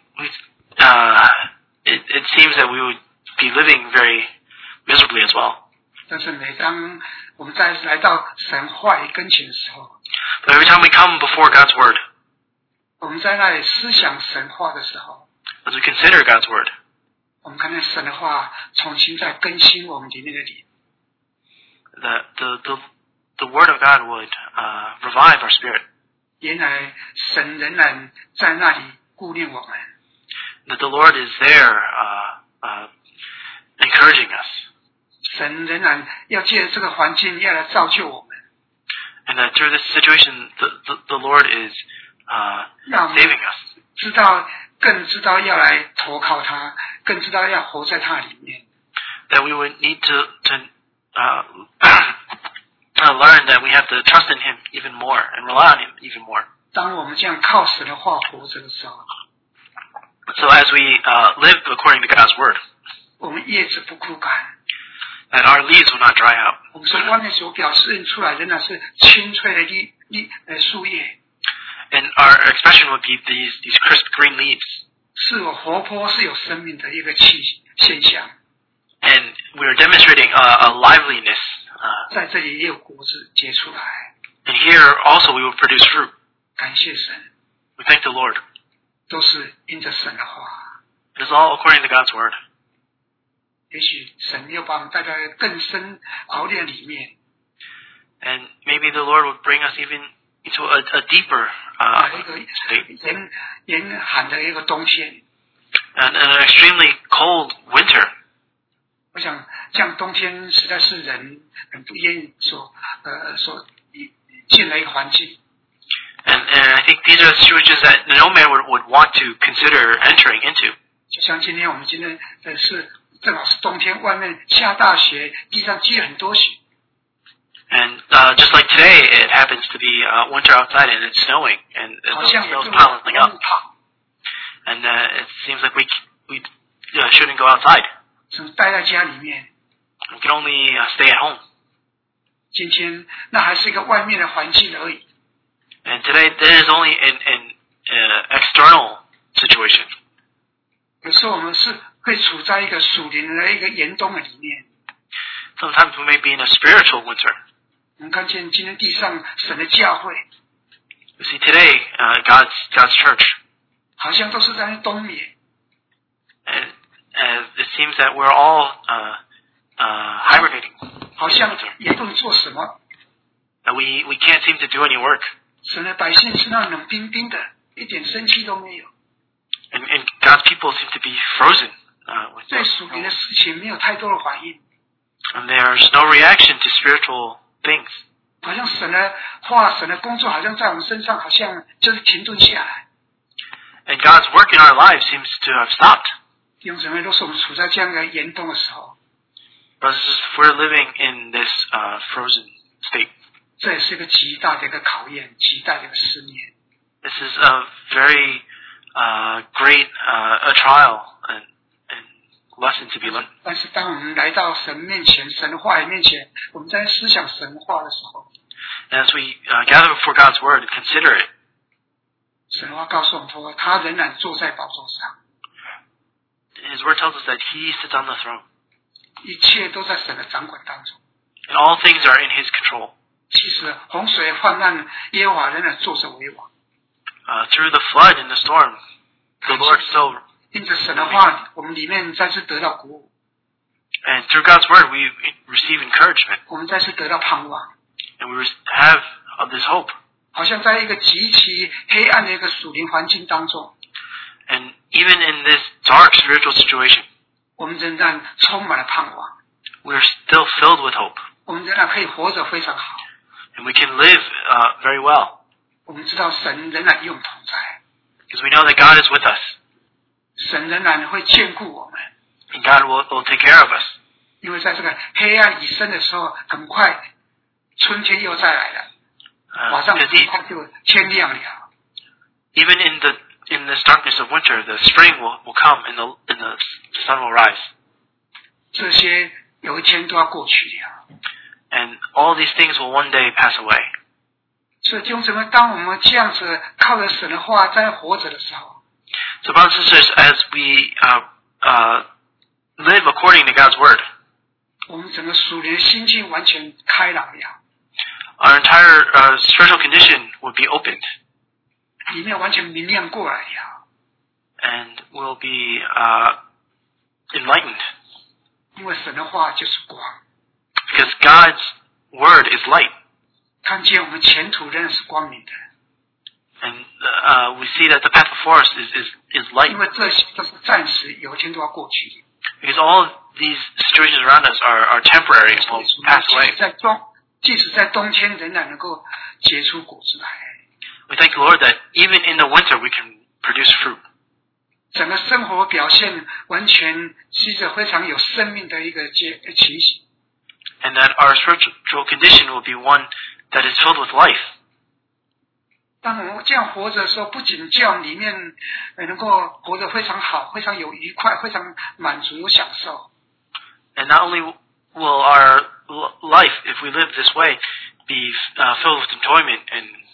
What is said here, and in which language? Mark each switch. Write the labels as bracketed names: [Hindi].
[English] And it seems that we would be living very miserably as well. [Chinese] 但是每当我们再来到神话语跟前的时候 [English] ，But every time we come before God's word. [Chinese] 我们在那里思想神话的时候。 [English] As we consider God's word, [Chinese] 我们看见神的话重新在更新我们里面的灵。 [English] The word of God would revive our spirit. [Chinese] 原来神仍然在那里顾念我们。 [English] That the Lord is there encouraging us. [Chinese] 神仍然要借这个环境要来造就我们。 [English] And that through this situation, the Lord is saving us. [Chinese] 知道更知道要来投靠他，更知道要活在他里面。 [English] That we would need to learn that we have to trust in Him even more and rely on Him even more. [Chinese] 当我们这样靠神的话活着的时候。 [English] So as we live according to God's word, [Chinese] 我们叶子不枯干。 [English] That our leaves will not dry out. [Chinese] 我们从外面所表示出来的那是青翠的树叶。 [English] And our expression would be these crisp green leaves. [Chinese] 是活泼是有生命的一个气现象。 [English] And we are demonstrating a liveliness. [Chinese] 在这里也有果子结出来。 [English] And here also we will produce fruit. [Chinese] 感谢神。 [English] We thank the Lord. [Chinese] 都是因着神的话。 [English] It is all according to God's word. [Chinese] 也许神又把我们带到更深熬炼里面。 [English] And maybe the Lord would bring us even into a deeper state. [Chinese] 严寒的一个冬天。 [English] And an extremely cold winter. [Chinese] 我想这样冬天实在是人很不愿意所进来一个环境。 [English] And I think these are situations that no man would want to consider entering into. [Chinese] 就像今天我们今天是正好是冬天，外面下大雪，地上积很多雪。 [English] And just like today, it happens to be winter outside and it's snowing, and the snow's piling up. And it seems like we shouldn't go outside. [Chinese] 只待在家里面。 [English] We can only stay at home. [Chinese] 今天那还是一个外面的环境而已。 [English] And today there is only an external situation. [Chinese] 有时候我们是会处在一个属灵的一个严冬的里面。 [English] Sometimes we may be in a spiritual winter. [Chinese] 我们看见今天地上神的教会。 [English] You see today God's church. [Chinese] 好像都是在冬眠。 [English] It seems that we're all hibernating. [Chinese] 好像也不能做什么。 [English] We can't seem to do any work. [Chinese] 神的百姓是那冷冰冰的，一点生气都没有。 [English] And God's people seem to be frozen. [Chinese] 对属灵的事情没有太多的反应。 [English] And there's no reaction to spiritual things. [Chinese] 好像神的话，神的工作好像在我们身上好像就是停顿下来。 [English] And God's work in our lives seems to have stopped. [Chinese] 弟兄姊妹，若是我们处在这样一个严冬的时候， [English] But if we're living in this frozen state, [Chinese] 这也是一个极大的一个考验，极大的一个试炼。 [English] This is a very great trial and lesson to be learned. [Chinese] 但是当我们来到神面前，神的话语面前，我们在思想神话的时候， [English] As we gather before God's word and consider it, [Chinese] 神的话告诉我们说，他仍然坐在宝座上。 [English] His word tells us that he sits on the throne. [Chinese] 一切都在神的掌管当中。 [English] And all things are in his control. [Chinese] 其实洪水患难，耶和华仍然坐着为王。 [English] Through the flood and the storm, the Lord still. [Chinese] 因着神的话，我们里面再次得到鼓舞。 [English] And through God's word, we receive encouragement. [Chinese] 我们再次得到盼望。 [English] And we have this hope. [Chinese] 好像在一个极其黑暗的一个属灵环境当中。 [English] And even in this dark spiritual situation, [Chinese] 我们仍然充满了盼望。 [English] We are still filled with hope. [Chinese] 我们仍然可以活着非常好。 [English] And we can live very well. [Chinese] 我们知道神仍然与我们同在。 [English] Because we know that God is with us. [Chinese] 神仍然会眷顾我们。 [English] And God will take care of us. [Chinese] 因为在这个黑暗已深的时候，很快春天又再来了，马上很快就天亮了。 [English] Even in the In this darkness of winter, the spring will come and the sun will rise. [Chinese] 这些有一天都要过去了。 [English] And all these things will one day pass away. [Chinese] 所以弟兄姊妹，当我们这样子靠着神的话在活着的时候。 [English] So brothers and sisters, as we live according to God's word. [Chinese] 我们整个属灵的心境完全开朗了。 [English] Our entire spiritual condition will be opened. [Chinese] 里面完全明亮过来了。 [English] And we'll be enlightened. [Chinese] 因为神的话就是光。 [English] Because God's word is light. [Chinese] 看见我们前途仍然是光明的。 [English] And we see that the path before us is light. [Chinese] 因为这些都是暂时，有一天都要过去。 [English] Because all of these situations around us are temporary and will pass away. [Chinese] 即使在冬天仍然能够结出果子来。 [English] We thank the Lord that even in the winter we can produce fruit. [Chinese] 整个生活表现完全是一个非常有生命的一个情形。 [English] And that our spiritual condition will be one that is filled with life. [Chinese] 当我们这样活着的时候，不仅叫里面能够活得非常好，非常有愉快，非常满足，有享受。 [English] And not only will our life, if we live this way, be filled with enjoyment and